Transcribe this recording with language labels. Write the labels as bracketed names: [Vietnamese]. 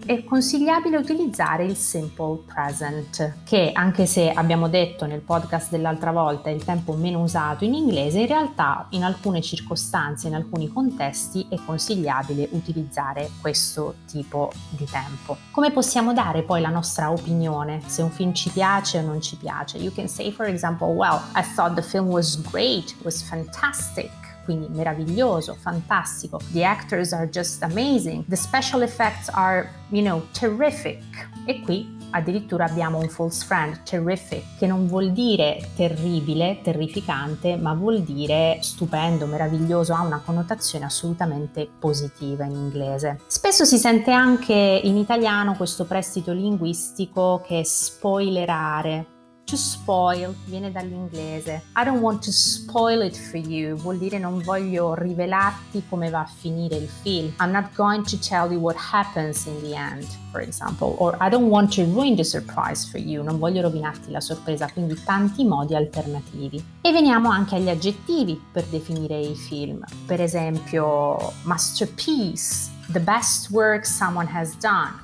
[Italian] È consigliabile utilizzare il simple present, che anche se abbiamo detto nel podcast dell'altra volta è il tempo meno usato in inglese, in realtà in alcune circostanze, in alcuni contesti, è consigliabile utilizzare questo tipo di tempo. Come possiamo dare poi la nostra opinione? Se un film ci piace o non ci piace? [English] You can say for example, well, I thought the film was great, was fantastic. [Italian] Quindi meraviglioso, fantastico. [English] The actors are just amazing. The special effects are, you know, terrific. [Italian] E qui addirittura abbiamo un false friend, terrific, che non vuol dire terribile, terrificante, ma vuol dire stupendo, meraviglioso, ha una connotazione assolutamente positiva in inglese. Spesso si sente anche in italiano questo prestito linguistico che è spoilerare. To spoil viene dall'inglese. [English] I don't want to spoil it for you. [Italian] Vuol dire non voglio rivelarti come va a finire il film. [English] I'm not going to tell you what happens in the end, for example. Or I don't want to ruin the surprise for you. [Italian] Non voglio rovinarti la sorpresa. Quindi tanti modi alternativi. E veniamo anche agli aggettivi per definire i film. Per esempio, [English] masterpiece, the best work someone has done.